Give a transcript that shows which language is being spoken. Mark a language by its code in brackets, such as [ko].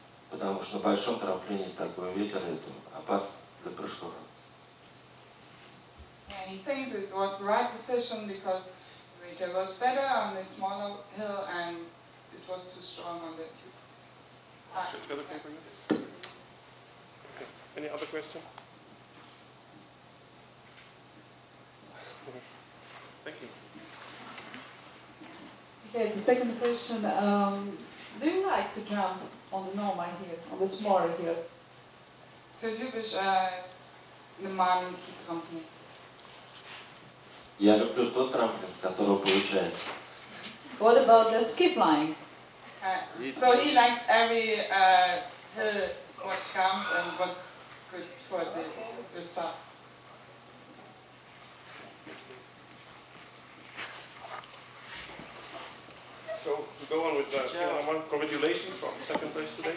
[ru] Потому что на большом трамплине такой ветер, это опасно для прыжков. [en] He thinks it was the right decision because the ветер was better on the smaller hill and it was too strong on that hill. Okay. Any other question? Thank you. Okay, the second question. Do you like to jump on the normal hill, on the smaller hill? [ru] Ты любишь на маленький трамплин? Я люблю тот трамплин, с которого получается. [en] What about the skip line? So he likes every hill what comes and what's good for the yourself. So, to go on with that, yeah. I want congratulations for second place today.